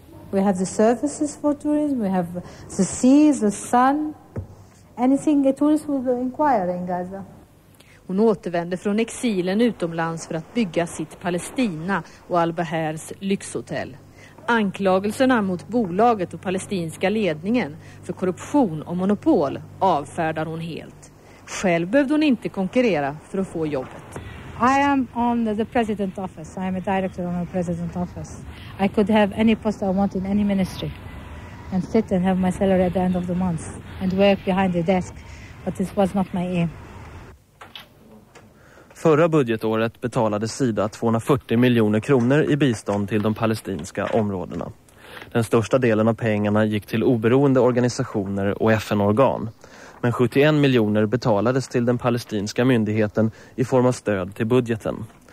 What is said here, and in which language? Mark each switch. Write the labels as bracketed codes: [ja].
[en] We have the services for tourism, we have the seas, the sun. Anything a tourist will inquire in Gaza. [sv] Hon återvände från exilen utomlands för att bygga sitt Palestina och Al-Bahars lyxhotell. Anklagelserna mot bolaget och palestinska ledningen för korruption och monopol avfärdar hon helt. Själv behövde hon inte konkurrera för att få jobbet. [en] I am on the president office. I am a director on the president office. I could have any post I want in any ministry and sit and have my salary at the end of the month and work behind the desk, but this was not my aim. [sv] Förra budgetåret betalade Sida 240 miljoner kronor i bistånd till de palestinska områdena. Den största delen av pengarna gick till oberoende organisationer och FN-organ. men 71 miljoner betalades till den palestinska myndigheten i form av stöd till budgeten.